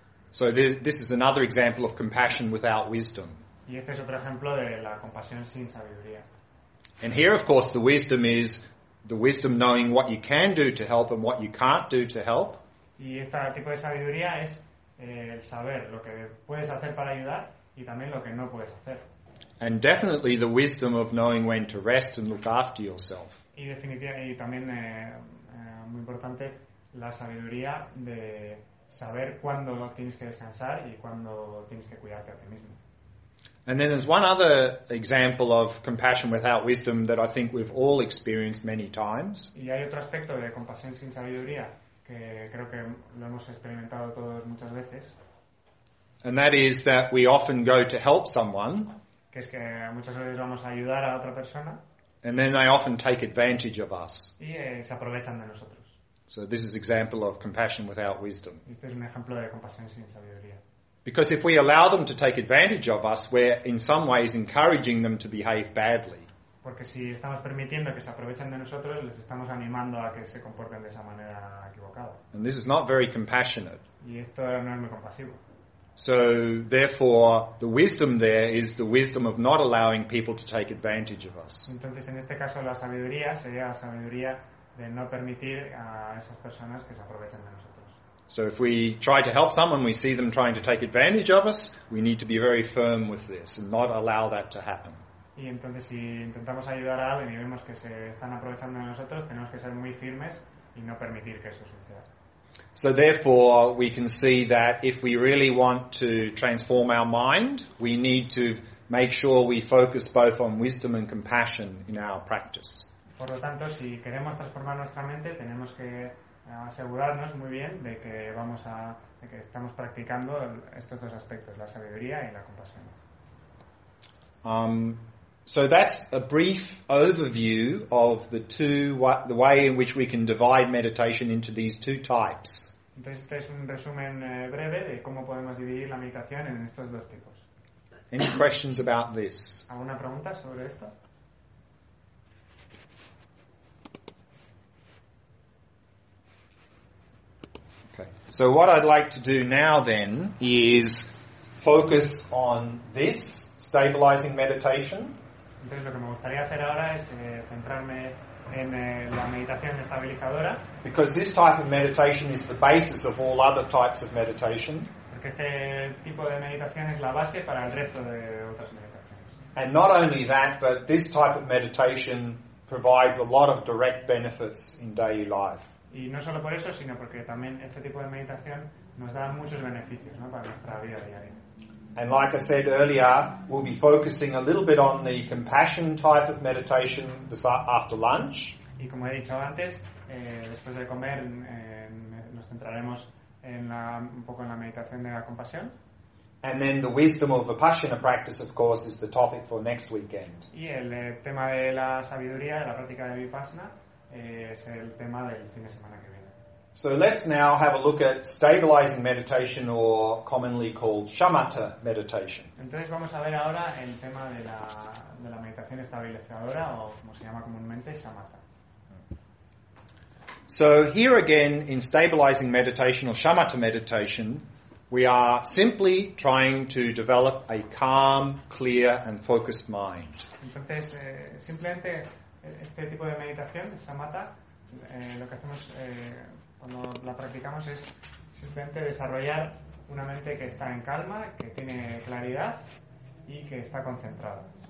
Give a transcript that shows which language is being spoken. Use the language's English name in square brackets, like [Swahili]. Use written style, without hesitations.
[English] So this is another example of compassion without wisdom. [Spanish] Y este es otro ejemplo de la compasión sin sabiduría. [English] And here, of course, the wisdom is the wisdom knowing what you can do to help and what you can't do to help. [Spanish] Y este tipo de sabiduría es el saber lo que puedes hacer para ayudar y también lo que no puedes hacer. [English] And definitely the wisdom of knowing when to rest and look after yourself. [Spanish] Y definitivamente, y también muy importante, la sabiduría de saber cuándo tienes que descansar y cuándo tienes que cuidarte a ti mismo. [English] And then there's one other example of compassion without wisdom that I think we've all experienced many times. [Spanish] Y hay otro aspecto de compasión sin sabiduría que creo que lo hemos experimentado todos muchas veces. [English] And that is that we often go to help someone. [Spanish] Que es que muchas veces vamos a ayudar a otra persona. [English] And then they often take advantage of us. [Spanish] Y se aprovechan de nosotros. [English] So this is an example of compassion without wisdom. [Spanish] Este es un ejemplo de compasión sin sabiduría. [English] Because if we allow them to take advantage of us, we're in some ways encouraging them to behave badly. [Spanish] Porque si estamos permitiendo que se aprovechen de nosotros, les estamos animando a que se comporten de esa manera equivocada. [English] And this is not very compassionate. [Spanish] Y esto no es muy compasivo. [English] So therefore, the wisdom there is the wisdom of not allowing people to take advantage of us. [Spanish] Entonces, en este caso, la sabiduría sería la sabiduría de no permitir a esas personas que se aprovechen de nosotros. [English] So if we try to help someone, we see them trying to take advantage of us, we need to be very firm with this and not allow that to happen. [Spanish] Y entonces si intentamos ayudar a alguien y vemos que se están aprovechando de nosotros, tenemos que ser muy firmes y no permitir que eso suceda. [English] So therefore, we can see that if we really want to transform our mind, we need to make sure we focus both on wisdom and compassion in our practice. [Spanish] Por lo tanto, si queremos transformar nuestra mente, tenemos que asegurarnos muy bien de que vamos a de que estamos practicando estos dos aspectos, la sabiduría y la compasión. [English] So that's a brief overview of the way in which we can divide meditation into these two types. [Spanish] Entonces este es un resumen breve de cómo podemos dividir la meditación en estos dos tipos. [English] Any questions about this? [Spanish] ¿Alguna pregunta sobre esto? [English] So what I'd like to do now then is focus on this stabilizing meditation. [Spanish] Entonces lo que me gustaría hacer ahora es centrarme en la meditación estabilizadora. [English] Because this type of meditation is the basis of all other types of meditation. [Spanish] Porque este tipo de meditación es la base para el resto de otras meditaciones. [English] And not only that, but this type of meditation provides a lot of direct benefits in daily life. [Spanish] Y no solo por eso, sino porque también este tipo de meditación nos da muchos beneficios, ¿no? Para nuestra vida diaria. [English] And like I said earlier, we'll be focusing a little bit on the compassion type of meditation after lunch. [Spanish] Y como he dicho antes, después de comer nos centraremos en un poco en la meditación de la compasión. [English] And then the wisdom of Vipassana practice, of course, is the topic for next weekend. [Spanish] Y el tema de la sabiduría, de la práctica de Vipassana, es el tema del fin de semana que viene. [English] So let's now have a look at stabilizing meditation, or commonly called shamatha meditation. [Spanish] Entonces vamos a ver ahora el tema de la meditación estabilizadora, o como se llama comúnmente, shamatha. [English] So here again, in stabilizing meditation or shamatha meditation, we are simply trying to develop a calm, clear and focused mind. [Spanish] Entonces simplemente este tipo de meditación, samatha, lo que hacemos cuando la practicamos es simplemente desarrollar una mente que está en calma, que tiene claridad y que está concentrada.